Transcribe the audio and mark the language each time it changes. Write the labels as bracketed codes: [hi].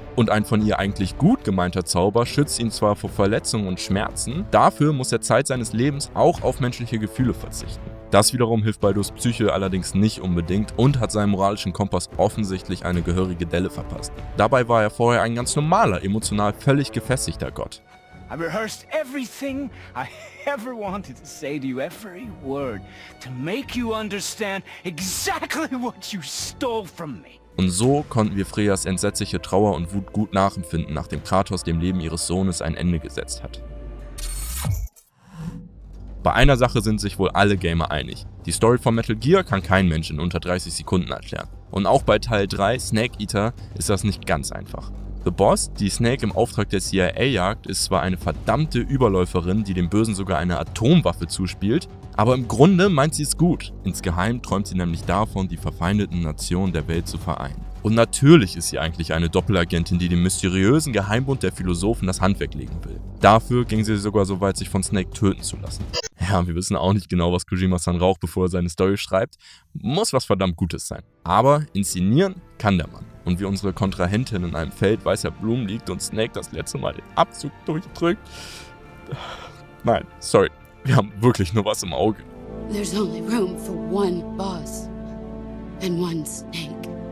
[de] Und ein von ihr eigentlich gut gemeinter Zauber schützt ihn zwar vor Verletzungen und Schmerzen, dafür muss er Zeit seines Lebens auch auf menschliche Gefühle verzichten. Das wiederum hilft Baldurs Psyche allerdings nicht unbedingt und hat seinem moralischen Kompass offensichtlich eine gehörige Delle verpasst. Dabei war er vorher ein ganz normaler, emotional völlig gefestigter Gott. [en] I've rehearsed everything I ever wanted to say to you, every word, to make you understand exactly what you stole from me. [de] Und so konnten wir Freyas entsetzliche Trauer und Wut gut nachempfinden, nachdem Kratos dem Leben ihres Sohnes ein Ende gesetzt hat. Bei einer Sache sind sich wohl alle Gamer einig. Die Story von Metal Gear kann kein Mensch in unter 30 Sekunden erklären. Und auch bei Teil 3, Snake Eater, ist das nicht ganz einfach. The Boss, die Snake im Auftrag der CIA jagt, ist zwar eine verdammte Überläuferin, die dem Bösen sogar eine Atomwaffe zuspielt, aber im Grunde meint sie es gut. Insgeheim träumt sie nämlich davon, die verfeindeten Nationen der Welt zu vereinen. Und natürlich ist sie eigentlich eine Doppelagentin, die dem mysteriösen Geheimbund der Philosophen das Handwerk legen will. Dafür ging sie sogar so weit, sich von Snake töten zu lassen. Ja, wir wissen auch nicht genau, was Kojima-san raucht, bevor er seine Story schreibt. Muss was verdammt Gutes sein. Aber inszenieren kann der Mann. Und wie unsere Kontrahentin in einem Feld weißer Blumen liegt und Snake das letzte Mal den Abzug durchdrückt. Nein, sorry. Wir haben wirklich nur was im Auge. [en] There's only room for one boss and one Snake.